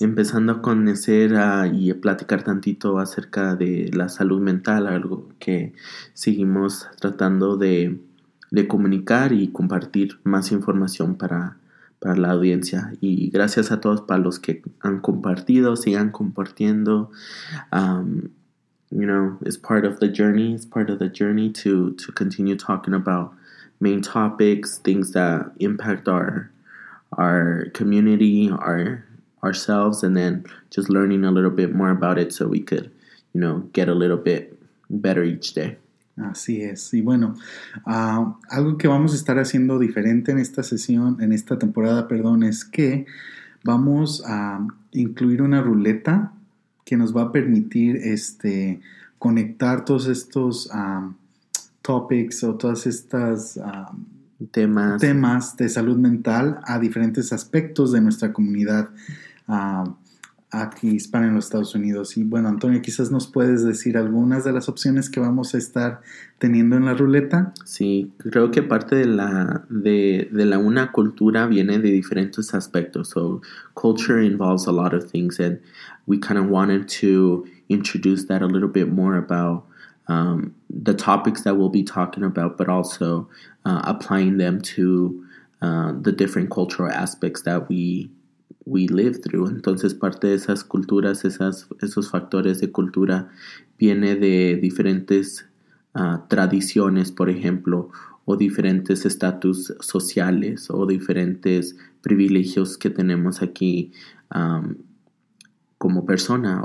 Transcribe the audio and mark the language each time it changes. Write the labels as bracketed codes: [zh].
[es] Empezando a conocer y a platicar tantito acerca de la salud mental, algo que seguimos tratando de comunicar y compartir más información para la audiencia. Y gracias a todos para los que han compartido, sigan compartiendo. [en] You know, it's part of the journey. It's part of the journey to continue talking about main topics, things that impact our community, ourselves, and then just learning a little bit more about it so we could, you know, get a little bit better each day. [es] Así es. Y bueno, algo que vamos a estar haciendo diferente en esta sesión, en esta temporada, perdón, es que vamos a incluir una ruleta que nos va a permitir conectar todos estos topics o todas estas temas de salud mental a diferentes aspectos de nuestra comunidad aquí hispana en los Estados Unidos. Y bueno, Antonio, quizás nos puedes decir algunas de las opciones que vamos a estar teniendo en la ruleta. Sí, creo que parte de la una cultura viene de diferentes aspectos. [en] So culture involves a lot of things, and we kind of wanted to introduce that a little bit more about the topics that we'll be talking about, but also applying them to the different cultural aspects that we live through. [es] Entonces, parte de esas culturas, esos factores de cultura, viene de diferentes tradiciones, por ejemplo, o diferentes estatus sociales, o diferentes privilegios que tenemos aquí como persona.